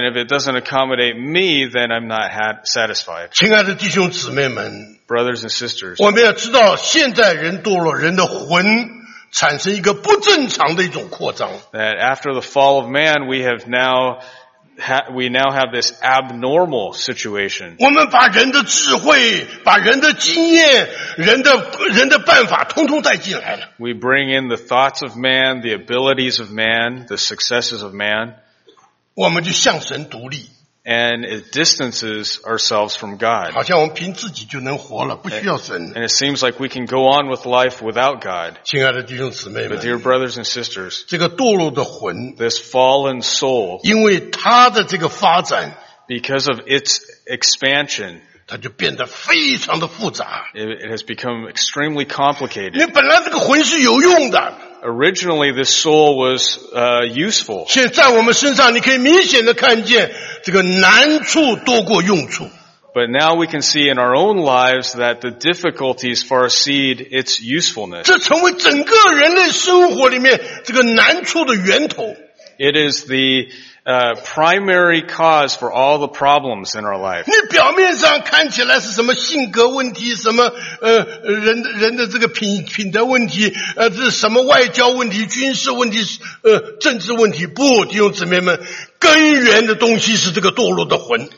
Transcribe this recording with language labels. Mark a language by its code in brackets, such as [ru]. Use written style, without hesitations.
[en] And if it doesn't accommodate me, then I'm not satisfied. [zh] 亲爱的弟兄姊妹们。 [en] Brothers and sisters. [zh] 我们要知道现在人堕落，人的魂产生一个不正常的一种扩张。 [en] That after the fall of man, we now have this abnormal situation. [zh] 我们把人的智慧、把人的经验、人的办法，通通带进来了。 [en] We bring in the thoughts of man, the abilities of man, the successes of man. [zh] 我们就向神独立。 [en] And it distances ourselves from God. [zh] 好像我们凭自己就能活了，不需要神。 [en] And it seems like we can go on with life without God. [zh] 亲爱的弟兄姊妹们。 [en] But dear brothers and sisters. [zh] 这个堕落的魂。 [en] This fallen soul. [zh] 因为它的这个发展。 [en] Because of its expansion. [zh] 它就变得非常的复杂。 [en] It has become extremely complicated. [zh] 因为本来这个魂是有用的。 [en] Originally, this soul was useful. [zh] 现在我们身上你可以明显的看见这个难处多过用处。 [en] But now we can see in our own lives that the difficulties far exceed its usefulness. [zh] 这成为整个人类生活里面这个难处的源头。 [en] It is the primary cause for all the problems in our life. [zh] 你表面上看起来是什么性格问题，什么人的这个品德问题，这是什么外交问题、军事问题、政治问题？不，弟兄姊妹们。根源的东西是这个堕落的魂。